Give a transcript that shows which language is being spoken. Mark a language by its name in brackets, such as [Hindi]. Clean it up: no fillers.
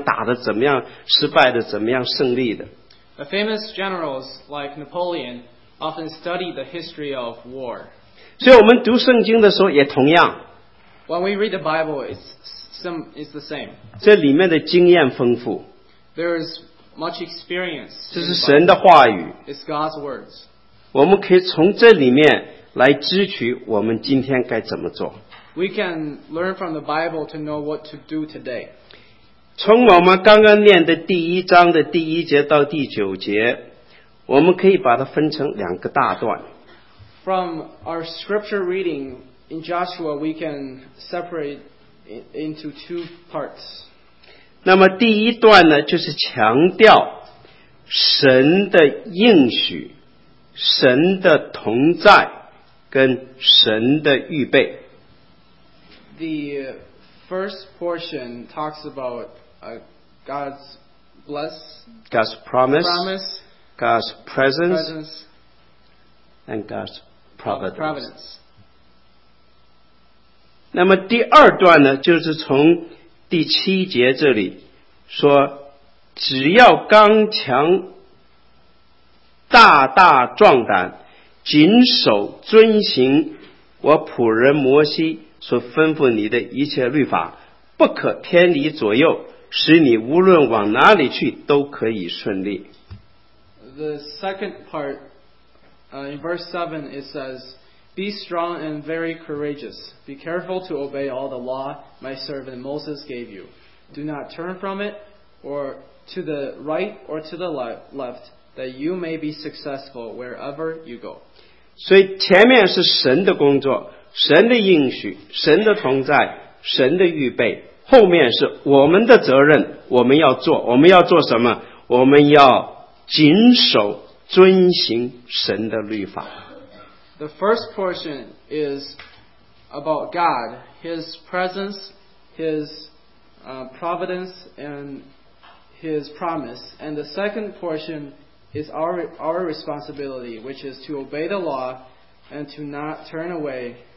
[Chinese] 那些拿破仑这些大的将军经常是研究以前有名的这些战争是怎么样打的、怎么样失败的、怎么样胜利的。 [English] The famous generals like Napoleon often study the history of war. [Chinese] 所以我们读圣经的时候也同样。 [English] When we read the Bible, it's the same. [Chinese] 这里面的经验丰富。 [English] There is much experience. [Chinese] 这是神的话语。 [English] It's God's words. [Chinese] 我们可以从这里面来支取我们今天该怎么做。 [English] We can learn from the Bible to know what to do today. [Chinese] 从我们刚刚念的第一章的第一节到第九节, 我们可以把它分成两个大段。 [English] From our scripture reading in Joshua, we can separate into two parts. [Chinese] 那么第一段呢, 就是强调神的应许, 神的同在, 跟神的预备。 [English] The first portion talks about God's bless, God's promise, promise, God's presence, presence, and God's providence. Providence. [Chinese] 那么第二段呢, 就是从第七节这里, 说只要刚强大大壮胆, 谨守遵行我仆人摩西, 所吩咐你的一切律法不可偏离左右使你无论往哪里去都可以顺利。 [English] The second part in verse 7 it says, Be strong and very courageous. Be careful to obey all the law my servant Moses gave you. Do not turn from it or to the right or to the left that you may be successful wherever you go. [Chinese] 所以前面是神的工作, 神的应许, 神的同在, 神的预备, 后面是我们的责任, 我们要做, 我们要做什么? 我们要谨守遵行神的律法。 [English] The first portion is about God, His presence, His providence, and His promise. And the second portion is our responsibility, which is to obey the law and to not turn away.